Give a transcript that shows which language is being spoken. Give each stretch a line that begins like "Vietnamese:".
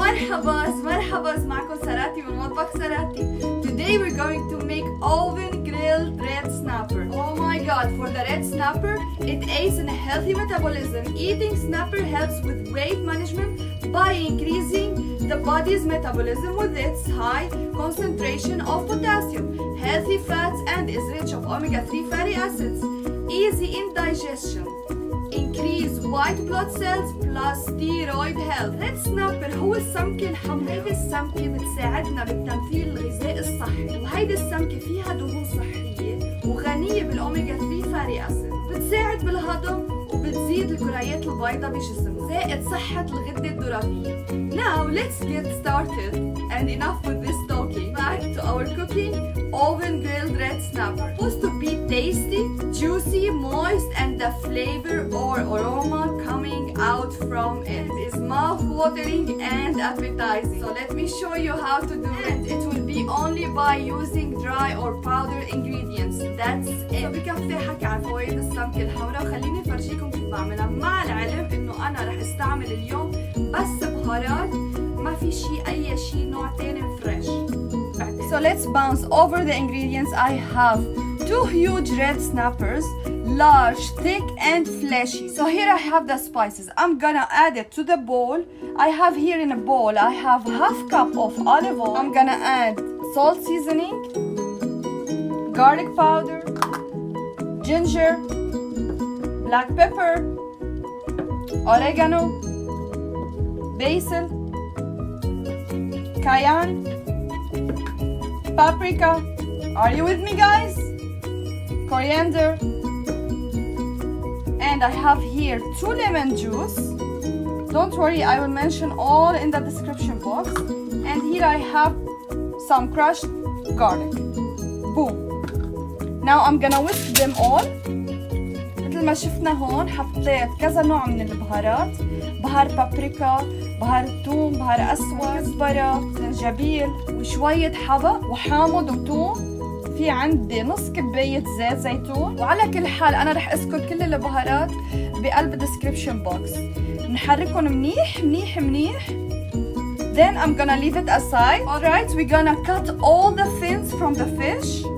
Arabic: مرحبا معكم سراتي من مطبخ سراتي.
English: Today we're going to make oven grilled red snapper. Oh my god, for the red snapper, it aids in a healthy metabolism. Eating snapper helps with weight management by increasing the body's metabolism with its high concentration of potassium, healthy fats, and is rich of omega-3 fatty acids. Easy in digestion. Increase white blood cells plus thyroid health.
Arabic: Red snapper هو السمكة الحمراء. هيدي السمكة بتساعدنا بالتمثيل الغذاء الصحي. وهيدي السمكة فيها دهون صحية وغنية بالأوميجا 3 فاري أسيد. بتساعد بالهضم وبتزيد الكريات البيضاء بجسمنا. زائد صحة الغدة الدرقية.
English: Now let's get started and enough with this talking. Back to our cooking. Oven grilled red snapper. Supposed to be tasty, juicy, moist, and the flavor or aroma coming out from it is mouth-watering and appetizing. So let me show you how to do it. And it will be only by using dry or powdered ingredients. That's it.
Arabic: So بكفي حكي عن فوائد السمك الحمراء وخليني فرجيكم كيف بعملها مع العلم انه انا رح استعمل اليوم بس بهارات ما في شيء اي شيء نوع تاني فريش.
English: So let's bounce over the ingredients. I have two huge red snappers, large, thick, and fleshy. So here I have the spices. I'm gonna add it to the bowl. I have here in a bowl, I have half cup of olive oil. I'm gonna add salt seasoning, garlic powder, ginger, black pepper, oregano, basil, cayenne, paprika. Are you with me, guys? Coriander. And I have here 2 lemon juice. Don't worry, I will mention all in the description box. And here I have some crushed garlic. Boom. Now I'm gonna whisk them all.
Arabic: مثل ما شفنا هون حطيت كذا نوع من البهارات. بهار بابريكا, بهار الثوم, بهار اسود, كزبرة, زنجبيل, وشوية حبق وحامض وثوم. في عندي نص كباية زيت زيتون. وعلى كل حال انا رح اذكر كل البهارات بقلب الديسكريبشن بوكس. نحركهم منيح منيح منيح.
English: Then I'm gonna leave it aside. Alright, we're gonna cut all the fins from the fish.